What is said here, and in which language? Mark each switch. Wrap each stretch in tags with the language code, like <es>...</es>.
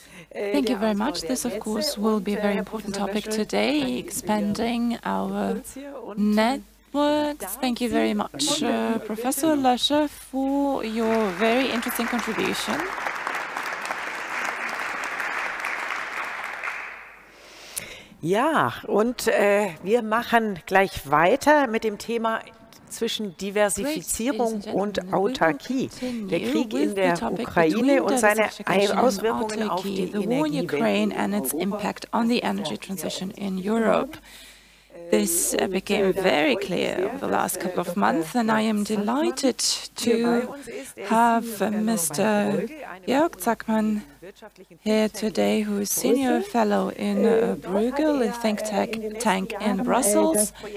<en>Thank you very much. This, of course, will be a very important topic today, expanding our networks. Thank you very much, Professor Löscher, for your very interesting contribution.</en> <de>Ja, und wir machen gleich weiter mit dem Thema zwischen Diversifizierung und Autarkie. Der Krieg in der Ukraine und seine Auswirkungen auf die Energiewende</de> <en>and its impact on the energy transition in Europe. This became very clear over the last couple of months, and I am delighted to have Mr. Jörg Zackmann here today, who is Senior Fellow in Bruegel, a think tank in Brussels.</en>